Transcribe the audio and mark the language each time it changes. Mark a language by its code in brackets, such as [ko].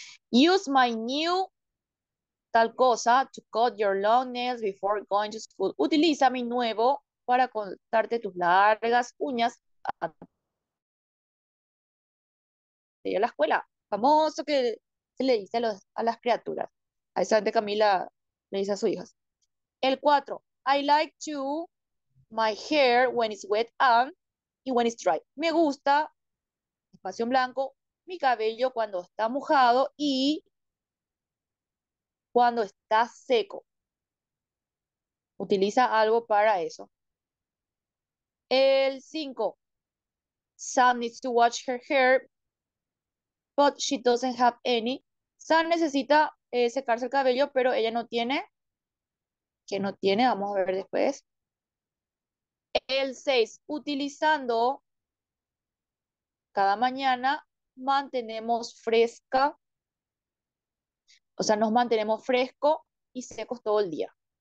[en] Use my new [es] tal cosa [en] to cut your long nails before going to school. [es] Utiliza mi nuevo para cortarte tus largas uñas antes de ir a la escuela. Famoso que se le dice a las criaturas. A esa gente Camila le dice a sus hijas. El 4. [en] I like to my hair when it's wet and when it's dry. [es] Me gusta, espacio en blanco, mi cabello cuando está mojado y cuando está seco. Utiliza algo para eso. El 5. [en] Sam needs to wash her hair, but she doesn't have any. [es] Sam necesita secarse el cabello, pero ella no tiene. ¿Qué no tiene? Vamos a ver después. El 6. Utilizando cada mañana. Mantenemos fresca, o sea, nos mantenemos fresco y secos todo el día.